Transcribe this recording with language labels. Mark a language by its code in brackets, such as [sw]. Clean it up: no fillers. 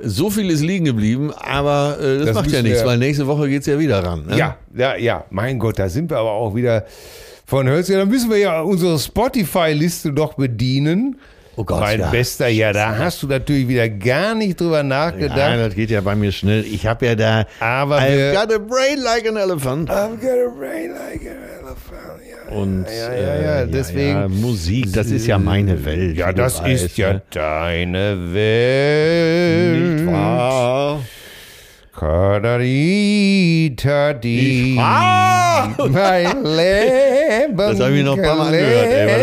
[de] So viel ist liegen geblieben, aber das macht ja nichts, weil nächste Woche geht es ja wieder ran. Ne? Ja. Mein Gott, da sind wir aber auch wieder von Hölzchen. Dann müssen wir ja unsere Spotify-Liste doch bedienen. Oh Gott, mein Bester, ja, da hast du natürlich wieder gar nicht drüber nachgedacht. Nein, das geht ja bei mir schnell. Ich habe ja da... Aber [en] I've got a brain like an elephant. I've got a brain like an elephant, ja. [de] Und deswegen... Ja, Musik, das ist ja meine Welt. Ja, das ist ja deine Welt. Nicht wahr? Kadarita, die. Mein Leben. Das habe ich noch ein paar Mal gehört, ey.